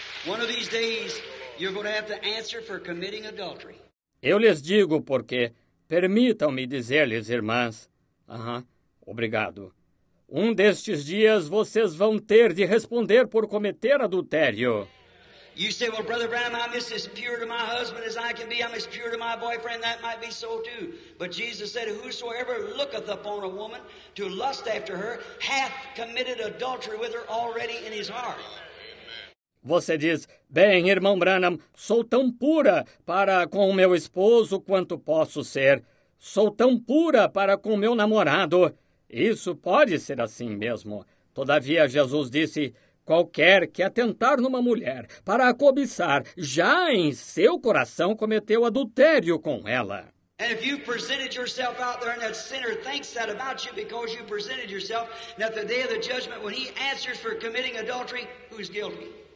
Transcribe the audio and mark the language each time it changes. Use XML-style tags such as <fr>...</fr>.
<en>One of these days, you're going to have to answer for committing adultery.</en> <pt>Eu lhes digo porque, permitam-me dizer-lhes, irmãs. Obrigado. Um destes dias vocês vão ter de responder por cometer adultério.</pt> <en>You say, well, Brother Branham, I'm just as pure to my husband as I can be. I'm as pure to my boyfriend. That might be so too. But Jesus said, whosoever looketh upon a woman to lust after her hath committed adultery with her already in his heart.</en> <pt>Você diz, bem, irmão Branham, sou tão pura para com o meu esposo quanto posso ser. Sou tão pura para com o meu namorado. Isso pode ser assim mesmo. Todavia, Jesus disse, qualquer que atentar numa mulher para a cobiçar, já em seu coração cometeu adultério com ela.</pt> <en>And if you presented yourself out there and that sinner thinks that about you because you presented yourself, and at the day of the judgment, when he answers for committing adultery, who's guilty?</en>